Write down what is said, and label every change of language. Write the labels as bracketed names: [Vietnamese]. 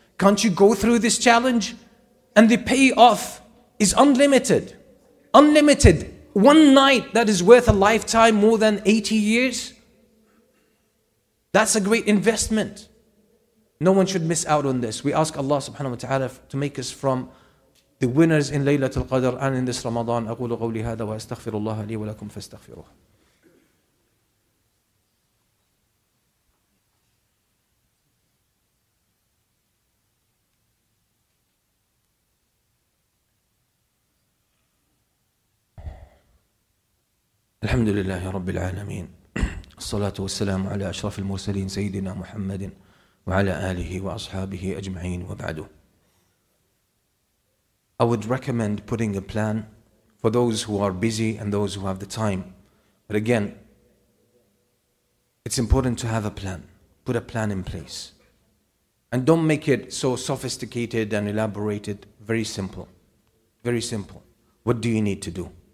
[English] Can't you go through this challenge? And the payoff is unlimited. Unlimited. One night that is worth a lifetime more than 80 years. That's a great investment. No one should miss out on this. We ask Allah subhanahu wa ta'ala to make us from the winners in Laylatul Qadr and in this Ramadan. [Arabic] أقول قولي هذا وأستغفر الله لي ولكم فاستغفروه. الحمد لله رب العالمين الصلاة والسلام على أشرف المرسلين سيدنا محمد وعلى آله وأصحابه أجمعين وبعد. [English] I would recommend putting a plan for those who are busy and those who have the time. But again, it's important to have a plan. Put a plan in place. And don't make it so sophisticated and elaborated. Very simple. Very simple. What do you need to do?